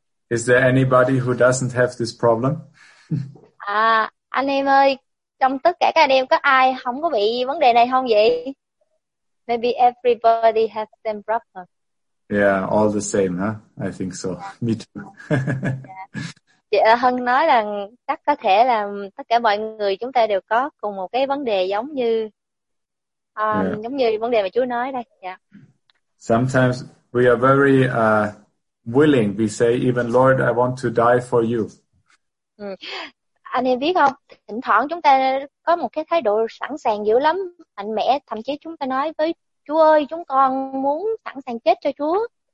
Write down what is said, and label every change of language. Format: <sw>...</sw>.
<en>Is there anybody who doesn't have this problem?</en> <vi>Anh em ơi, trong tất cả các anh em có ai không có bị vấn đề này không vậy?</vi> <en>Maybe everybody has same problem. Yeah, all the same, huh? I think so. Me too.</en> <vi>Chị Hân nói rằng chắc có thể là tất cả mọi người chúng ta đều có cùng một cái vấn đề giống như giống như vấn đề mà Chúa nói đây. Yeah.</vi> <en>Sometimes we are very willing. We say even Lord, I want to die for you.</en> <vi>Anh em biết không? Thỉnh thoảng chúng ta có một cái thái độ sẵn sàng dữ lắm, mạnh mẽ. Thậm chí chúng ta nói với Chúa ơi, chúng con muốn sẵn sàng chết cho Chúa.</vi>